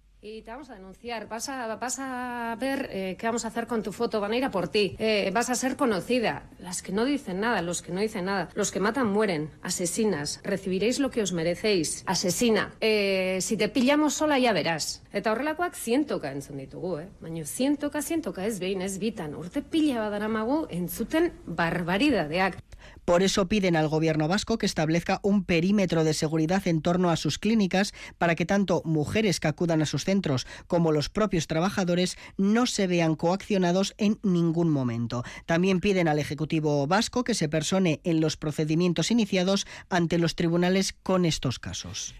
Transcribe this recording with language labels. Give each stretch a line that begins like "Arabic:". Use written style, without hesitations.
Spanish: Y te vamos a denunciar, vas a ver qué vamos a hacer con tu foto, van a ir a por ti, vas a ser conocida. Las que no dicen nada, los que no dicen nada, los que matan mueren, asesinas, recibiréis lo que os merecéis, asesina. Si te pillamos sola ya verás.
Basque: Eta horrelakoak zientoka entzun ditugu, baina zientoka ez behin, ez bitan, urte pila badaramagu entzuten barbaridadeak.
Spanish: Por eso piden al gobierno vasco que establezca un perímetro de seguridad en torno a sus clínicas para que tanto mujeres que acudan a sus centros como los propios trabajadores no se vean coaccionados en ningún momento. También piden al Ejecutivo vasco que se persone en los procedimientos iniciados ante los tribunales con estos casos.